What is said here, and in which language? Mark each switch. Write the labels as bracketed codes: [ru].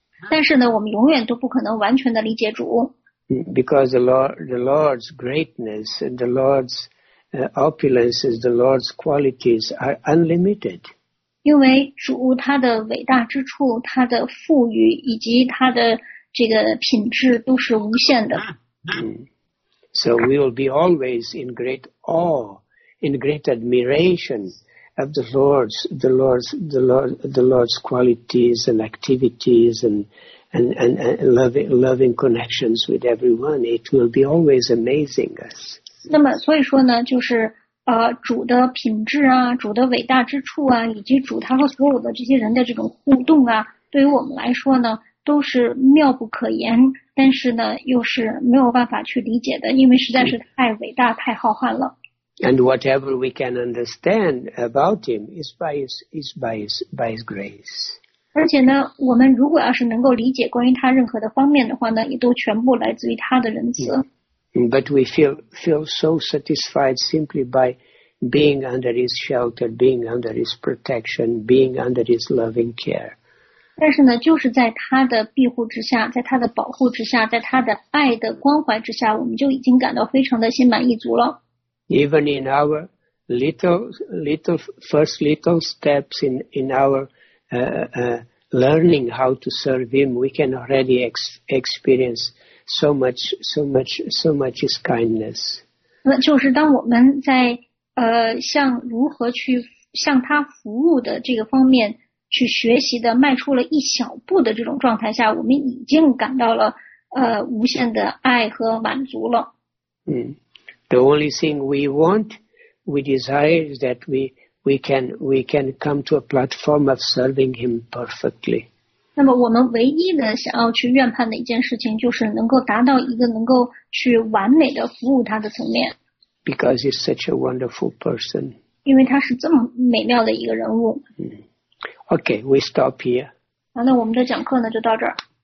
[zh] 但是呢，我们永远都不可能完全的理解主。 [en] Because the Lord's greatness and the Lord's opulences, the Lord's qualities are unlimited. [zh] 因为主他的伟大之处，他的富裕以及他的这个品质都是无限的。 [en] So we will be always in great awe, in great admiration of the Lord's qualities and activities and loving connections with everyone. It will be always amazing us. [zh] 那么所以说呢，就是主的品质啊，主的伟大之处啊，以及主他和所有的这些人的这种互动啊，对于我们来说呢。都是妙不可言，但是呢，又是没有办法去理解的，因为实在是太伟大、太浩瀚了。 [en] And whatever we can understand about him is by his grace. [zh] 而且呢，我们如果要是能够理解关于他任何的方面的话呢，也都全部来自于他的仁慈。 [en] But we feel so satisfied simply by being under his shelter, being under his protection, being under his loving care. [zh] 但是呢，就是在他的庇护之下，在他的保护之下，在他的爱的关怀之下，我们就已经感到非常的心满意足了。 [en] Even in our little steps in our learning how to serve Him, we can already experience so much His kindness. [zh] 那就是当我们在向如何去向他服务的这个方面去学习的迈出了一小步的这种状态下，我们已经感到了无限的爱和满足了。 [en] 嗯 ，The only thing we want, we desire is that we can come to a platform of serving Him perfectly. [zh] 那么我们唯一的想要去愿盼的一件事情，就是能够达到一个能够去完美的服务他的层面。 [en] Because he's such a wonderful person. [zh] 因为他是这么美妙的一个人物。 [en] Okay, we stop here. [zh] 好，那我们的讲课呢就到这儿。